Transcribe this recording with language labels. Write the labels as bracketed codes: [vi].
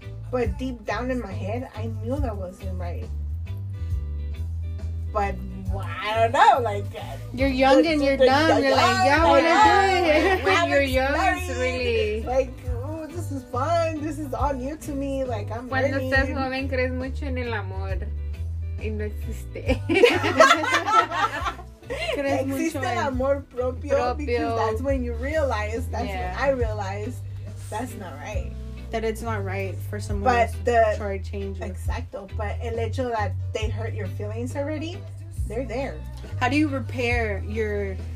[en] But deep down in my head, I knew that wasn't right. But well, I don't know, like, you're young and you're dumb. You're like, yeah, I want to do it. Like, you're young, it's really like, oh, this is fun, this is all new to me. Like, I'm [es] cuando [en] ready. [es] Estás joven, crees mucho en el amor y no existe. Crees existe mucho el amor propio. [en] Because that's when you realize, that's when I realized, that's not right. That it's not right for someone to try to change. [es] Exacto. [en] But [es] el hecho [en] that they hurt your feelings already, they're there. How do you repair your...